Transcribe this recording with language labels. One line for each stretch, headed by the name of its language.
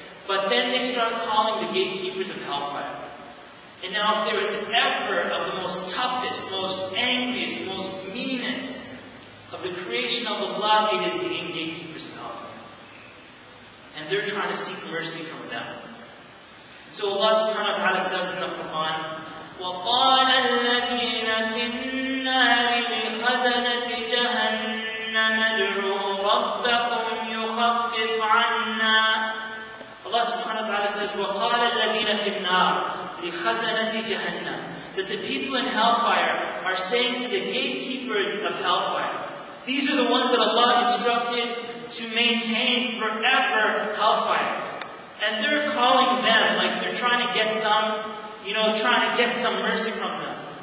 English: But then they start calling the gatekeepers of hellfire. And now if there is ever of the most toughest, most angriest, most meanest of the creation of Allah, it is the gatekeepers of hellfire. And they're trying to seek mercy from them. So Allah subhanahu wa ta'ala says in the Quran,
Arabic: وَقَالَ الَّذِينَ فِي النَّارِ لِخَزَنَةِ جَهَنَّمَ ادْعُوا رَبَّكُمْ يُخَفِّفْ عَنَّا.
English: Allah subhanahu wa ta'ala says,
Arabic: وَقَالَ الَّذِينَ فِي النَّارِ لِخَزَنَةِ جَهَنَّمَ.
English: That the people in hellfire are saying to the gatekeepers of hellfire, these are the ones that Allah instructed to maintain forever hellfire. And they're calling them, like they're trying to get some, you know, trying to get some mercy from them.